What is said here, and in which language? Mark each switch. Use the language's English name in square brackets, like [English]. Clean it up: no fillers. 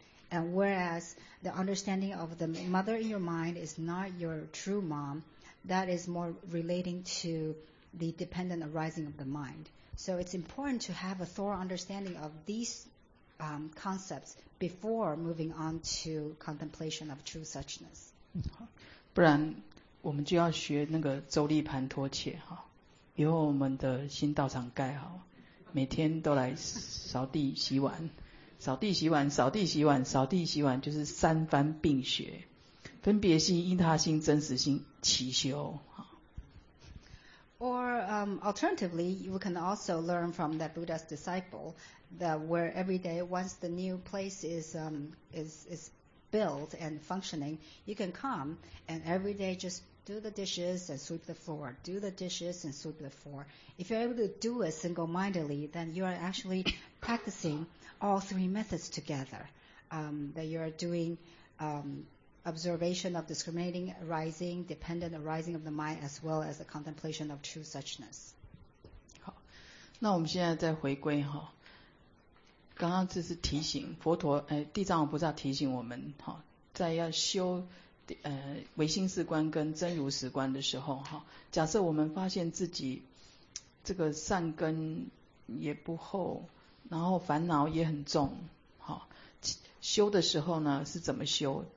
[English] And whereas the understanding of the mother in your mind is not your true mom, that is more relating to the dependent arising of the mind. So it's important to have a thorough understanding of these concepts before moving on to contemplation of true suchness. [Chinese] 不然我们就要学那个周立盘陀切，以后我们的新道场盖好，每天都来扫地洗碗，扫地洗碗，扫地洗碗，扫地洗碗，就是三番并学，分别心、依他心、真实心齐修。 [English] Or alternatively, you can also learn from that Buddha's disciple that where every day, once the new place is built and functioning, you can come and every day just do the dishes and sweep the floor, do the dishes and sweep the floor. If you're able to do it single-mindedly, then you are actually practicing all three methods together, that you're doing observation of discriminating arising, dependent arising of the mind, as well as the contemplation of true suchness. [Chinese] 好，那我们现在再回归哈。刚刚这是提醒佛陀，地藏王菩萨提醒我们哈，在要修唯心是观跟真如实观的时候哈，假设我们发现自己这个善根也不厚，然后烦恼也很重，哈，修的时候呢是怎么修？